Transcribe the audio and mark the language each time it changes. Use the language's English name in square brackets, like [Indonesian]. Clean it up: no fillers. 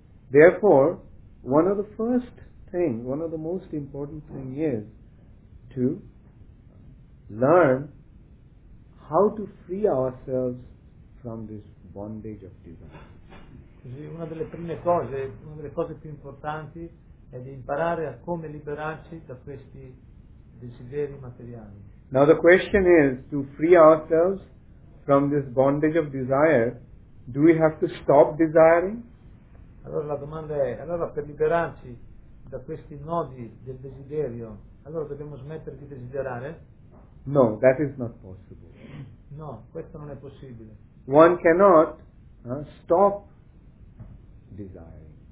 [English] Therefore, one of the first things, one of the most important thing is to learn how to free ourselves from this bondage of desire. [Italian] Una delle prime cose, una delle cose più importanti è di imparare a come liberarci da questi desideri materiali. [English] Now the question is, to free ourselves from this bondage of desire, do we have to stop desiring? [Italian] Allora la domanda è, allora per liberarci da questi nodi del desiderio, allora dobbiamo smettere di desiderare? [English] No, that is not possible. [Italian] No, questo non è possibile. [English] One cannot stop desiring.